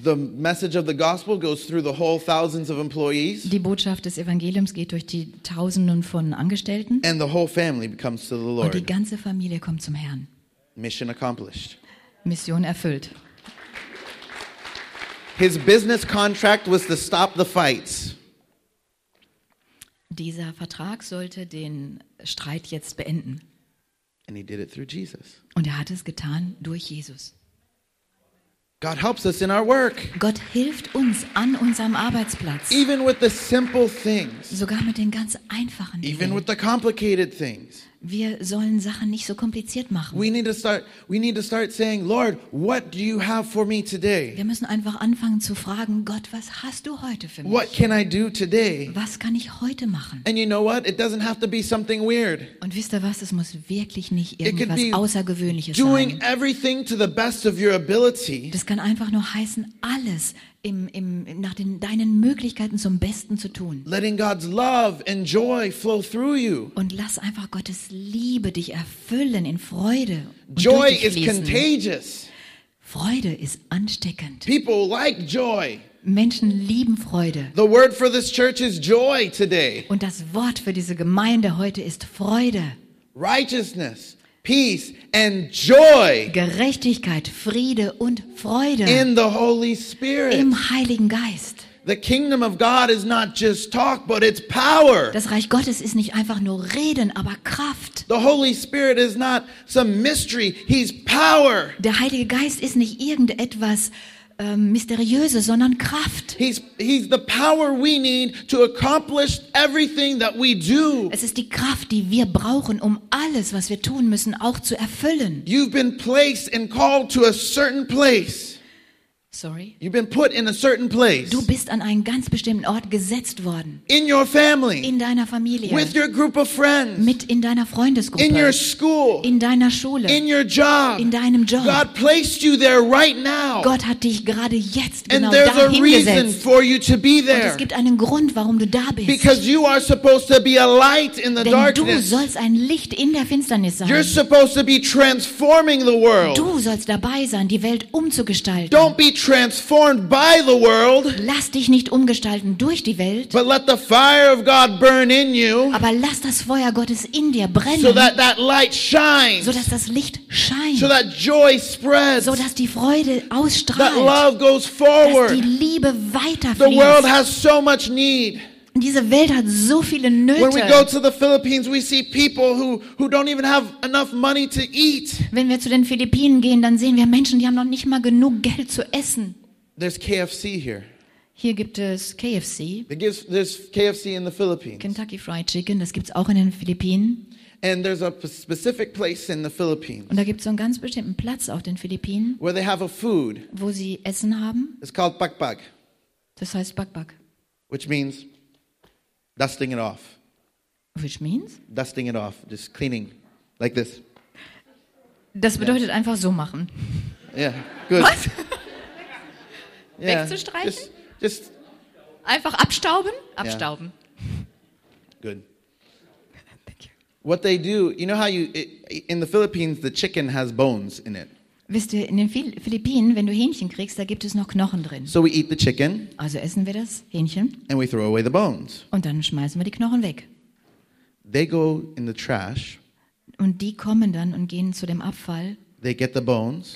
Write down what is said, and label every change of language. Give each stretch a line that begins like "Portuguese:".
English: The message of the gospel goes through the whole thousands of employees.
German: Die Botschaft des Evangeliums geht durch die Tausenden von Angestellten.
English: And the whole family becomes to the Lord.
German: Und die ganze Familie kommt zum Herrn.
English: Mission accomplished.
German: Mission erfüllt.
English: His business contract was to stop the fights.
German: Dieser Vertrag sollte den Streit jetzt beenden.
English: And he did it through Jesus.
German: Und er hat es getan durch Jesus.
English: God helps us in our work.
German: Gott hilft uns an unserem Arbeitsplatz.
English: Even with the simple things.
German: Sogar mit den ganz einfachen Dingen.
English: Even with the complicated things.
German: Wir sollen Sachen nicht so kompliziert machen.
English: We need to start saying, Lord, what do you have for me today?
German: Wir müssen einfach anfangen zu fragen, Gott, was hast du heute für mich?
English: What can I do today?
German: Was kann ich heute machen?
English: And you know what? It doesn't have to be something weird.
German: Und wisst ihr was? Es muss wirklich nicht irgendwas Außergewöhnliches sein.
English: Doing everything to the best of your ability.
German: Das kann einfach nur heißen, alles nach deinen Möglichkeiten zum Besten zu tun.
English: Letting God's love and joy flow through you.
German: Und lass einfach Gottes Liebe dich erfüllen in Freude und
English: joy is contagious.
German: Freude ist ansteckend.
English: People like joy.
German: Menschen lieben Freude.
English: The word for this church is joy today.
German: Und das Wort für diese Gemeinde heute ist Freude.
English: Righteousness. Peace and joy.
German: Gerechtigkeit, Friede und Freude.
English: In the Holy Spirit.
German: Im Heiligen Geist.
English: The kingdom of God is not just talk, but it's power.
German: Das Reich Gottes ist nicht einfach nur Reden, aber Kraft.
English: The Holy Spirit is not some mystery, he's power.
German: Der Heilige Geist ist nicht irgendetwas Mysteriöses, sondern Kraft.
English: He's the power we need to accomplish everything that we do.
German: Es ist die Kraft, die wir brauchen, um alles, was wir tun müssen, auch zu erfüllen.
English: You've been placed and called to a certain place. Sorry. You've been put in a certain place.
German: Du bist an einen ganz bestimmten Ort gesetzt worden.
English: In your family.
German: In deiner Familie.
English: With your group of friends.
German: Mit in deiner Freundesgruppe.
English: In your school.
German: In deiner Schule.
English: In your job.
German: In deinem Job.
English: God placed you there right now.
German: Gott hat dich gerade jetzt genau da hingesetzt.
English: And there's a reason for you to be there.
German: Und es gibt einen Grund, warum du da bist.
English: Because you are supposed to be a light in the darkness.
German: Denn du sollst ein Licht in der Finsternis sein.
English: You're supposed to be transforming the world.
German: Du sollst dabei sein, die Welt umzugestalten.
English: Don't be transformed by the world.
German: Lass dich nicht umgestalten durch die Welt.
English: But let the fire of God burn in you.
German: Aber lass das Feuer Gottes in dir brennen.
English: So that that light shines.
German: So dass das Licht scheint.
English: So that joy spreads.
German: So dass die Freude ausstrahlt.
English: That love goes forward.
German: Dass die Liebe weiterfließt.
English: The world has so much need.
German: Diese Welt hat so viele Nöte.
English: When we go to the Philippines, we see people who don't even have enough money to eat.
German: Wenn wir zu den Philippinen gehen, dann sehen wir Menschen, die haben noch nicht mal genug Geld zu essen.
English: There's KFC here.
German: Hier gibt es KFC.
English: There's KFC in the Philippines.
German: Kentucky Fried Chicken, das gibt's auch in den Philippinen.
English: And there's a specific place in the Philippines.
German: Und da gibt's so einen ganz bestimmten Platz auf den Philippinen.
English: Where they have a food.
German: Wo sie Essen haben.
English: It's called bakbak.
German: Das heißt bakbak.
English: Which means dusting it off. Which means? Dusting it off, just cleaning, like this.
German: Das bedeutet yeah. Einfach so machen.
English: Yeah, good. What? Yeah.
German: Wegzustreichen?
English: Just.
German: Einfach abstauben? Abstauben.
English: Yeah. Good. Thank you. What they do, you know how you, in the Philippines, the chicken has bones in it.
German: Wisst ihr, in den Philippinen, wenn du Hähnchen kriegst, da gibt es noch Knochen drin.
English: So we eat the chicken.
German: Also essen wir das Hähnchen.
English: And we throw away the bones.
German: Und dann schmeißen wir die Knochen weg.
English: They go in the trash.
German: Und die kommen dann und gehen zu dem Abfall.
English: They get the bones.